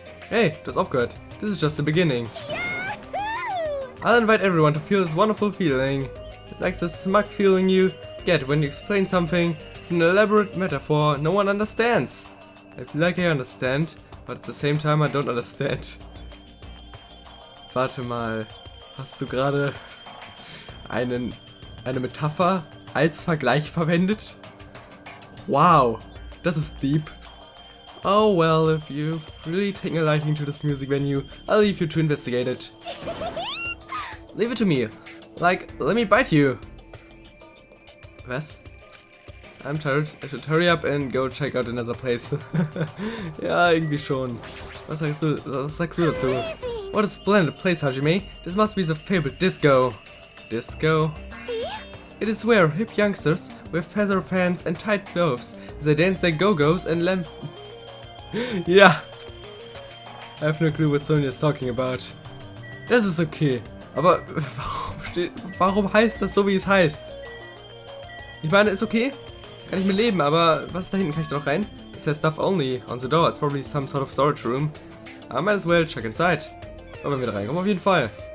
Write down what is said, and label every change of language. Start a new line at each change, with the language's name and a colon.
English: Hey,
German: du hast aufgehört.
English: This is just the beginning. Yahoo! I'll invite everyone to feel this wonderful feeling. It's like the smug feeling you get when you explain something with an elaborate metaphor no one understands. I feel like I understand, but at the same time I don't understand.
German: Warte mal, hast du gerade eine Metapher als Vergleich verwendet? Wow, das ist deep.
English: Oh well, if you've really taken a liking to this music venue, I'll leave you to investigate it. Leave it to me. Like, let me bite you. Was? I'm tired. I should hurry up and go check out another place.
German: Ja, irgendwie schon. Was sagst du dazu?
English: What a splendid place, Hajime. This must be the favorite disco. Disco? It is where hip youngsters with feather fans and tight clothes, they dance their go-go's and lamp. Yeah. I have no clue what Sonya is talking about. This is okay.
German: Aber warum heißt das so, wie es heißt? Ich meine, ist okay. Kann ich mir leben, aber was ist da hinten? Kann ich da noch rein?
English: It says stuff only on the door. It's probably some sort of storage room. I might as well check inside.
German: Wollen wir wieder reinkommen, auf jeden Fall.